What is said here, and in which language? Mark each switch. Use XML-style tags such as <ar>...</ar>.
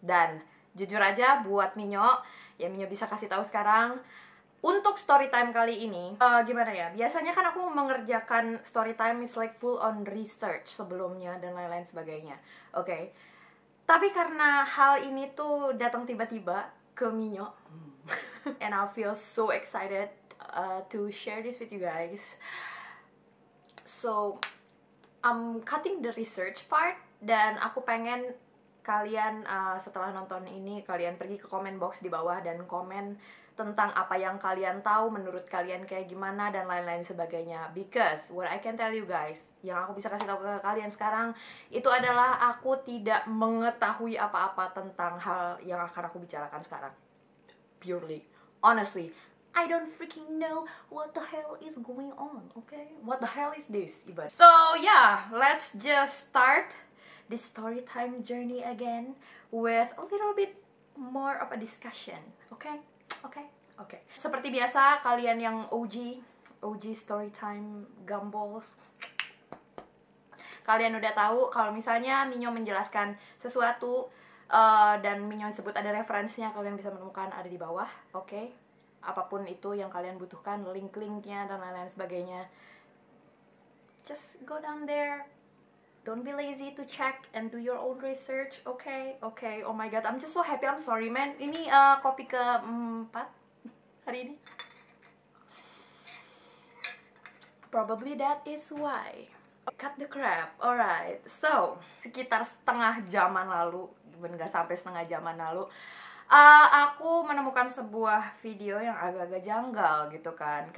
<id>Dan jujur aja buat Minyo, ya Minyo bisa kasih tahu sekarang, untuk story time kali ini, gimana ya? Biasanya kan aku mengerjakan story time</id> <en>is like full on research</en> <id>sebelumnya dan lain-lain sebagainya. Oke. Okay. Tapi karena hal ini tuh datang tiba-tiba ke Minyo.</id> <en>And I feel so excited to share this with you guys. So, I'm cutting the research part</en> <id>dan aku pengen kalian setelah nonton ini kalian pergi ke comment box di bawah dan komen tentang apa yang kalian tahu, menurut kalian kayak gimana, dan lain-lain sebagainya.</id> <en>Because what I can tell you guys,</en> <id>yang aku bisa kasih tahu ke kalian sekarang, itu adalah aku tidak mengetahui apa-apa tentang hal yang akan aku bicarakan sekarang.</id> <en>Purely, honestly, I don't freaking know what the hell is going on, okay? What the hell is this, Ibad? So yeah, let's just start this story time journey again with a little bit more of a discussion, okay? Okay.</en> <id>Seperti biasa, kalian yang OG Storytime Gumballs, kalian udah tahu kalau misalnya Minyo menjelaskan sesuatu dan Minyo sebut ada referensinya, kalian bisa menemukan ada di bawah, okay? Apapun itu yang kalian butuhkan, link-linknya dan lain-lain sebagainya,</id> <en>just go down there. Don't be lazy to check and do your own research, okay? Okay, oh my god, I'm just so happy, I'm sorry, man.</en> <id>Ini kopi keempat hari ini.</id> <en>Probably that is why. Cut the crap, alright.</en> <id>So, sekitar setengah jaman lalu, even gak sampai setengah jaman lalu, aku menemukan sebuah video yang agak-agak janggal gitu kan.</id>